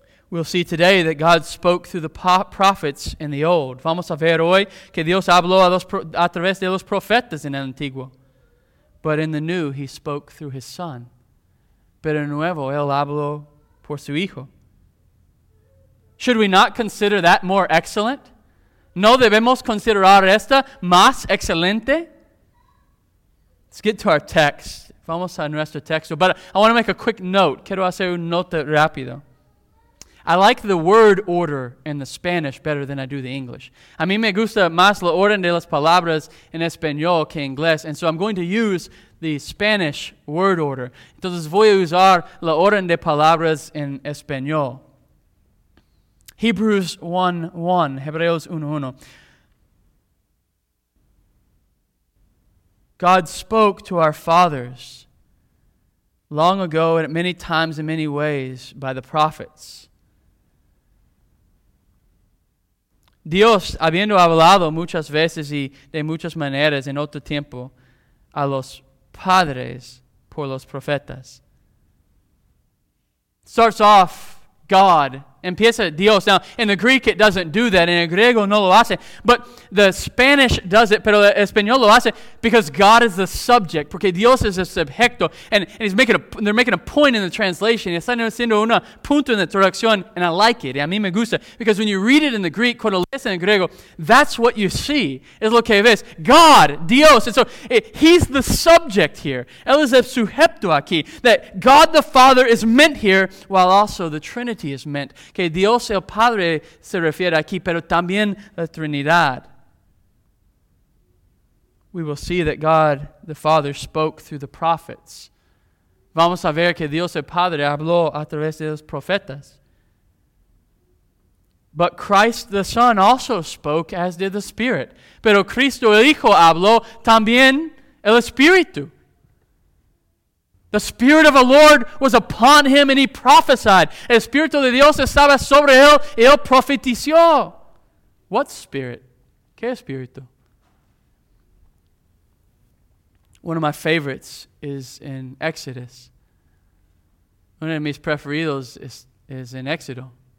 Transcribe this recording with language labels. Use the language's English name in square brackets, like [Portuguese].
[English] We'll see today that God spoke through the prophets in the old. [Spanish] Vamos a ver hoy que Dios habló a través de los profetas en el antiguo. [English] But in the new, he spoke through his son. [Spanish] Pero nuevo, él habló por su hijo. [English] Should we not consider that more excellent? [Spanish] ¿No debemos considerar esta más excelente? [English] Let's get to our text. [Spanish] Vamos a nuestro texto. [English] But I want to make a quick note. [Spanish] Quiero hacer un note rápido. [English] I like the word order in the Spanish better than I do the English. [Spanish] A mí me gusta más la orden de las palabras en español que en inglés. [English] And so I'm going to use the Spanish word order. [Spanish] Entonces voy a usar la orden de palabras en español. [English] Hebrews 1:1, Hebreos 1:1. God spoke to our fathers long ago and at many times in many ways by the prophets. [Spanish] Dios, habiendo hablado muchas veces y de muchas maneras en otro tiempo a los padres por los profetas. [English] Starts off God. [Spanish] Empieza Dios. [English] Now, in the Greek, it doesn't do that. [Spanish] En el griego, no lo hace. [English] But the Spanish does it, [Spanish] pero el español lo hace [English] because God is the subject. [Spanish] Porque Dios es el subjecto. [English] And he's making they're making a point in the translation. [Spanish] Están haciendo un punto en la traducción. [English] And I like it. [Spanish] A mí me gusta. [English] Because when you read it in the Greek, [Spanish] cuando lees en el griego, [English] that's what you see. [Spanish] Es lo que ves. [English] God, Dios. And so he's the subject here. [Spanish] Él es el sujeto aquí. [English] That God the Father is meant here, while also the Trinity is meant. [Spanish] Que Dios el Padre se refiere aquí, pero también la Trinidad. [English] We will see that God the Father spoke through the prophets. [Spanish] Vamos a ver que Dios el Padre habló a través de los profetas. [English] But Christ the Son also spoke, as did the Spirit. [Spanish] Pero Cristo el Hijo habló también el Espíritu. [English] The Spirit of the Lord was upon him and he prophesied. [Spanish] El Espíritu de Dios estaba sobre él y él profetizó. [English] What Spirit? [Spanish] ¿Qué Espíritu? [English] One of my favorites is in Exodus. [Spanish] Uno de mis preferidos [English] is in Éxodo.